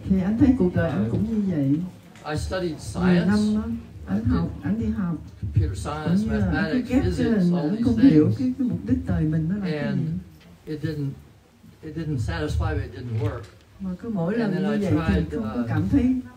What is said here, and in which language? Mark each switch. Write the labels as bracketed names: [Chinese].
[Vietnamese] Thì anh thấy cuộc đời anh cũng như vậy. [English] I studied science. [Vietnamese] Anh đi học. [English] Computer science, mathematics, physics, all these things. [Vietnamese] Anh không hiểu cái mục đích đời mình nó là cái gì. [English] And it didn't satisfy me, it didn't work. [Vietnamese] Mà cứ mỗi lần như vậy thì cảm thấy.